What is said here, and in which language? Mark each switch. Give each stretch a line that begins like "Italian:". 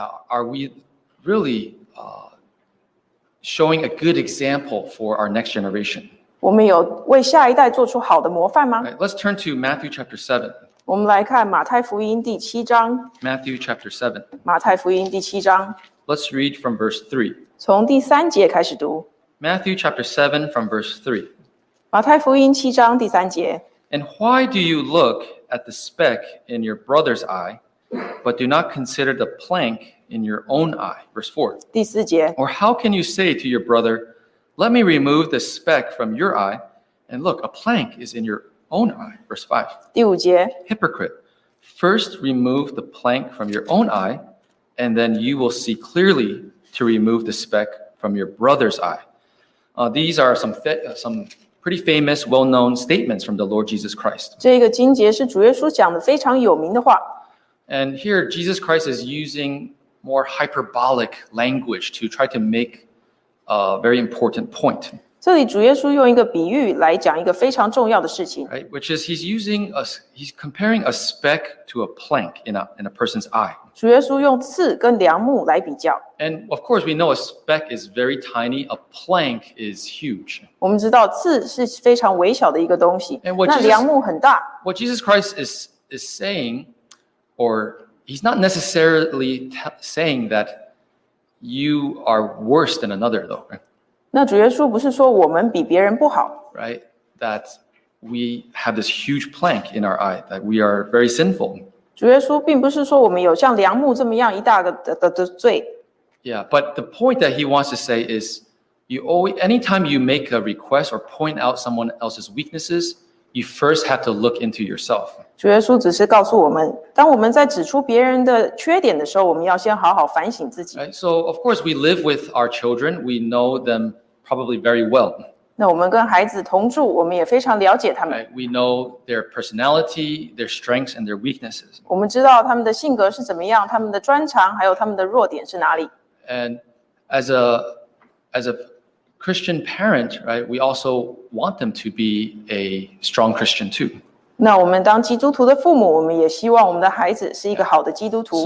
English: Are we really showing a good example for our next generation?
Chinese: 我们有为下一代做出好的模范吗？
English: Right, let's turn to Matthew chapter 7.
Chinese: 我们来看马太福音第七章。
English: Matthew chapter 7.
Chinese: 马太福音第七章。
English: Let's read from verse 3.
Chinese: 从第三节开始读。
English: Matthew chapter 7 from verse 3.
Chinese: 马太福音七章第三节。
English: And why do you look at the speck in your brother's eye, but do not consider the plank in your own eye? Verse 4.
Chinese: 第四节。
English: Or how can you say to your brother, let me remove the speck from your eye, and look, a plank is in your own eye? Verse 5.
Chinese: 第五节。
English: Hypocrite, first remove the plank from your own eye, and then you will see clearly to remove the speck from your brother's eye. These are some pretty famous, well-known statements from the Lord Jesus Christ.
Chinese: 这个经节是主耶稣讲的非常有名的话。
English: And here, Jesus Christ is using more hyperbolic language to try to make a very important point.
Chinese: 这里主耶稣用一个比喻来讲一个非常重要的事情。
English: Right, which is he's comparing a speck to a plank in a person's eye.
Chinese: 主耶稣用刺跟梁木来比较。
English: And of course, we know a speck is very tiny. A plank is huge.
Chinese: 我们知道刺是非常微小的一个东西。那梁木很大。
English: What Jesus Christ is saying, or he's not necessarily saying that you are worse than another, though.
Chinese: 那主耶稣不是说我们比别人不好。
English: Right, that we have this huge plank in our eye, that we are very sinful.
Chinese: 主耶稣并不是说我们有像梁木这么样一大个的罪。
English: Yeah, but the point that he wants to say is, anytime you make a request or point out someone else's weaknesses, you first have to look into yourself.
Chinese: 主耶稣只是告诉我们，当我们在指出别人的缺点的时候，我们要先好好反省自己。
English: Right, so of course we live with our children, we know them probably very well.
Chinese: 那我们跟孩子同住，我们也非常了解他们。
English: Right, we know their personality, their strengths, and their weaknesses.
Chinese: 我们知道他们的性格是怎么样，他们的专长还有他们的弱点是哪里。
English: And as a Christian parent, right, we also want them to be a strong Christian too.
Chinese: 那我们当基督徒的父母，我们也希望我们的孩子是一个好的基督徒。